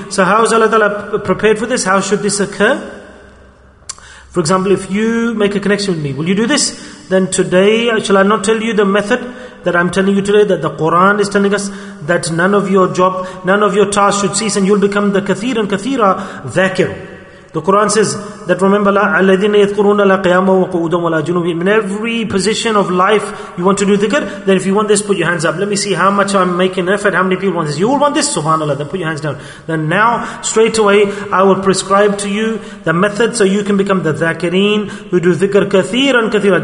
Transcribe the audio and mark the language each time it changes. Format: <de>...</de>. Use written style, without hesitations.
<en>So how is Allah Ta'ala prepared for this? How should this occur? For example, if you make a connection with me, will you do this? then today, shall I not tell you the method that I'm telling you today, that the Quran is telling us that none of your job, none of your tasks should cease and you'll become the kathir and kathira dhakir. The Quran says that remember,</en> <ar>الَّذِينَ يَذْكُرُونَ لَا قِيَامًا وَقُعُودًا وَلَا جُنُوبًا.</ar> <en>In every position of life, you want to do dhikr, then if you want this, put your hands up. Let me see how much I'm making effort, how many people want this. You all want this, subhanAllah, then put your hands down. Then now, straight away, I will prescribe to you the method so you can become the dhakirin who do dhikr kathir and kathir.</en>